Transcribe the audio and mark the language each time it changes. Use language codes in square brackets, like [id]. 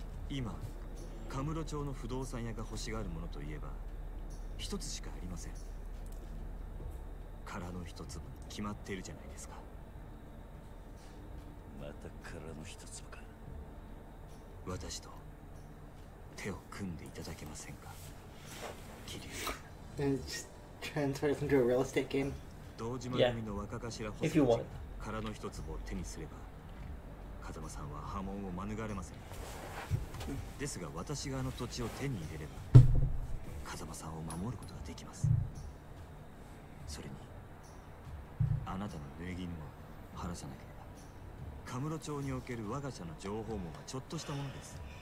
[ja] 今カムロ町の不動産屋が欲しがるものといえば一つしかありません。殻の一粒に決まっているじゃないですか。また殻の一粒か。私と手を組んでいただけませんか、キリュウ。 [en] And just transfers into a real estate game. [ja] 道島組の若頭補佐長が殻の一粒を手にすれば、風間さんは波紋を免れません。ですが私があの土地を手に入れれば風間さんを守ることができます。それにあなたの名義にも話さなければ、カムロ町における我が社の情報網はちょっとしたものです。